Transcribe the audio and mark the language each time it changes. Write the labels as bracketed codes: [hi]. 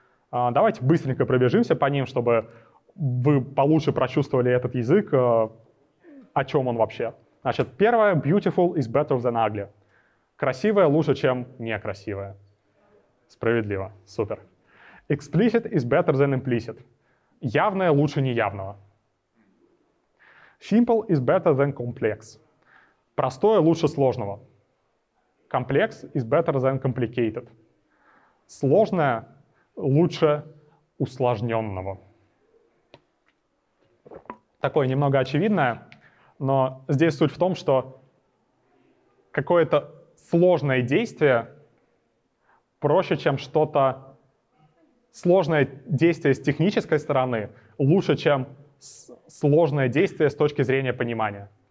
[ru] Давайте быстренько пробежимся по ним, чтобы вы получше прочувствовали этот язык, о чем он вообще. Значит, первое [en] — beautiful is better than ugly. [ru] Красивое лучше, чем некрасивое. Справедливо, супер. [en] Explicit is better than implicit. [ru] Явное лучше неявного. [en] Simple is better than complex. [ru] Простое лучше сложного. [en] Complex is better than complicated. [ru] Сложное лучше усложненного. Такое немного очевидное, но здесь суть в том, что какое-то сложное действие проще, чем что-то сложное действие с технической стороны, лучше, чем сложное действие с точки зрения понимания.